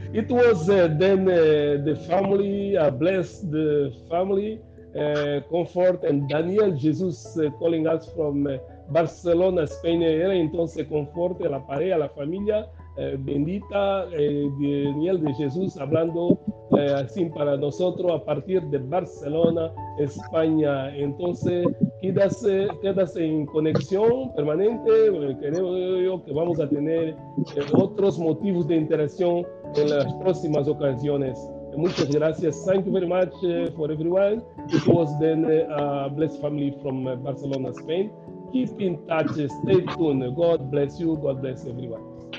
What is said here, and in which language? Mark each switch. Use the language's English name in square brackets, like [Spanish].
[English] It was then the family, blessed the family. Confort and Daniel Jesus calling us from Barcelona, Spain. [Spanish] Era entonces Confort, la pareja, la familia bendita, Daniel de Jesus hablando así para nosotros a partir de Barcelona, España. Entonces quédase en conexión permanente. Queremos que vamos a tener otros motivos de interacción en las próximas ocasiones. Muchas gracias. [English] Thank you very much for everyone. It was then a blessed family from Barcelona, Spain. Keep in touch. Stay tuned. God bless you. God bless everyone.